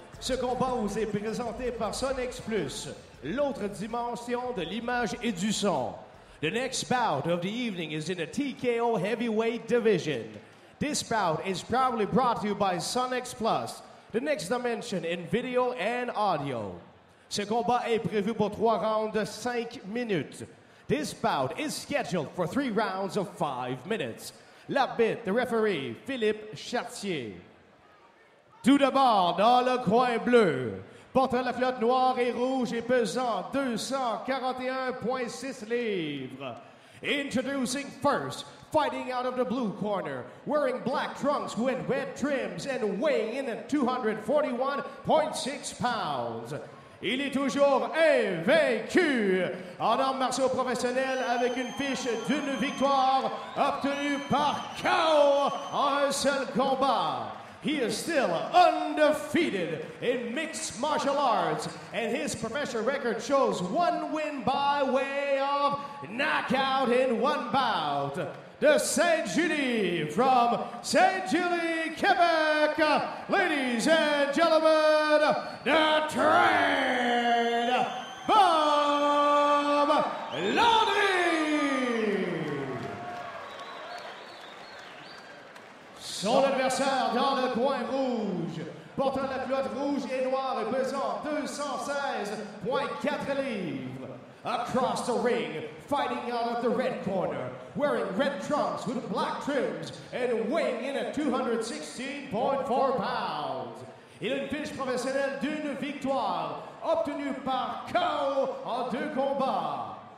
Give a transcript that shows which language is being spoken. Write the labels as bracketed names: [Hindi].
[French] Ce combat vous est présenté par Sonex Plus, l'autre dimension de l'image et du son. [English] The next bout of the evening is in the TKO Heavyweight Division. This bout is proudly brought to you by Sonex Plus, the next dimension in video and audio. [French] Ce combat est prévu pour 3 rounds de 5 minutes. [English] This bout is scheduled for 3 rounds of 5 minutes. L'arbitre, the referee, Philippe Chartier. [French] Tout d'abord, dans le coin bleu, portant la flotte noire et rouge et pesant 241.6 livres. [English] Introducing first, fighting out of the blue corner, wearing black trunks with red trims and weighing in at 241.6 pounds. [French] Il est toujours invaincu en arts martiaux professionnels avec une fiche d'une victoire obtenue par KO en un seul combat. [English] He is still undefeated in mixed martial arts, and his professional record shows one win by way of knockout in one bout. De Saint-Julie from Saint-Julie, Quebec, ladies and gentlemen, the Train Bomb Lundy! [French] Son adversaire dans le coin rouge, portant la culotte rouge et noire et pesant 216.4 livres. [English] Across the ring, fighting out of the red corner, wearing red trunks with black trims and weighing in at 216.4 pounds. [French] Il a une fiche professionnelle d'une victoire, obtenue par KO en deux combats.